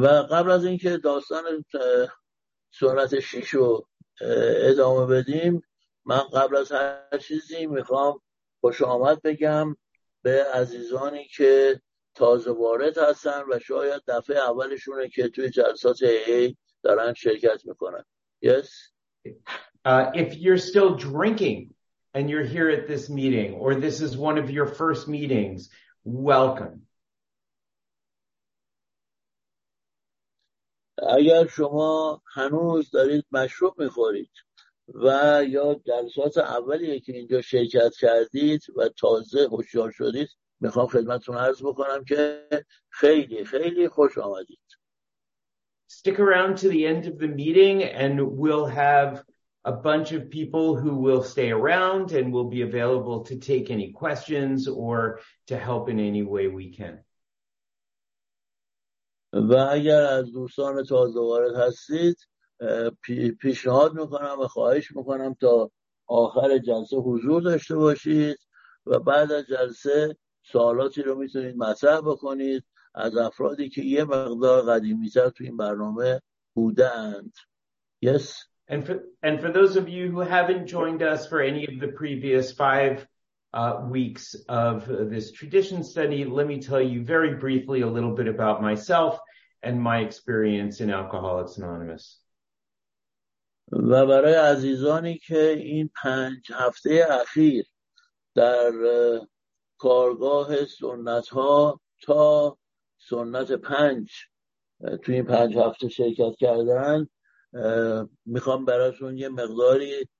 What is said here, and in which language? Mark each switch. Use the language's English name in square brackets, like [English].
[Persian] قبل از اینکه داستان سنت 6 رو ادامه بدیم، من قبل از هر چیزی میخوام خوش آمد بگم به عزیزانی که تازه وارد هستن و شاید دفعه اولشونه که توی جلسات AA دارن شرکت میکنن. [English] Yes. If you're still drinking and you're here at this meeting or this is one of your first meetings, welcome. [Persian] اگر شما هنوز دارید مشروب میخورید و یا جلسات اولیه که اینجا شرکت کردید و تازه هوشیار شدید، میخوام خدمتتون عرض بکنم که خیلی خیلی خوش آمدید. [English] Stick around to the end of the meeting and we'll have a bunch of people who will stay around and will be available to take any questions or to help in any way we can. [Persian] و اگر از دوستان تازه وارد هستید، پیشنهاد میکنم و خواهش میکنم تا آخر جلسه حضور داشته باشید و بعد از جلسه سوالاتی رو میتونید مطرح بکنید از افرادی که یه مقدار قدیمی‌تر تو این برنامه بودند. [English] Yes. And for those of you who haven't joined us for any of the previous 5 weeks of this tradition study, let me tell you very briefly a little bit about myself and my experience in Alcoholics Anonymous. [Persian] و برای عزیزانی که این 5 هفته اخیر در کارگاه سنت ها تا سنت 5 توی این 5 هفته شرکت کردن، میخوام براتون یه مقداری